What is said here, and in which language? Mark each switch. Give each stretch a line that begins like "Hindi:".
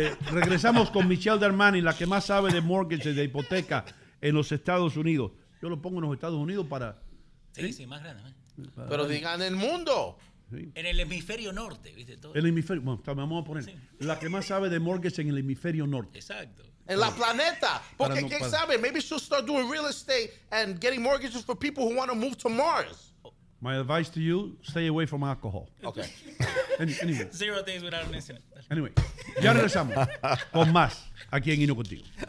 Spanish: Regresamos con Michelle Darmani, la que más sabe de mortgages, de hipoteca en los Estados Unidos. Yo lo pongo en los Estados Unidos para... Sí, más grande. Pero digan el mundo. Sí. En el hemisferio norte, ¿viste? Todo. El hemisferio, bueno, vamos a poner, sí, la que más sabe de mortgage en el hemisferio norte. Exacto. En la planeta, porque quién sabe,
English: maybe she'll start doing real estate and getting mortgages for people who want to move to Mars. My advice to you, stay away from alcohol. Okay. Anyway. 0 days without an incident.
Spanish: Anyway, ya regresamos con más aquí en Hino Contigo.